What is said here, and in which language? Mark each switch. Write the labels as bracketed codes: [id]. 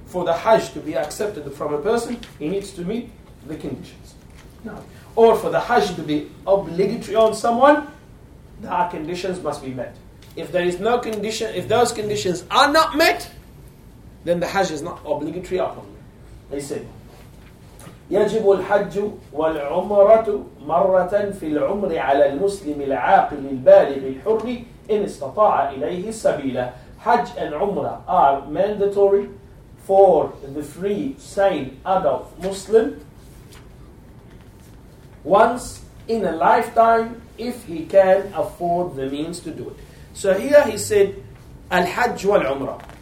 [en] For the hajj to be accepted from a person, he needs to meet the conditions. No. Or for the hajj to be obligatory on someone, the conditions must be met. If there is no condition, if those conditions are not met, then the hajj is not obligatory upon them. They said, [ar] يجب الحج والعمرة مرة في العمر على المسلم العاقل البالغ الحر إن استطاع إليه السبيل. [en] Hajj and Umrah are mandatory for the free, sane, adult Muslim once in a lifetime if he can afford the means to do it. So here he said, [ar] الحج والعمرة.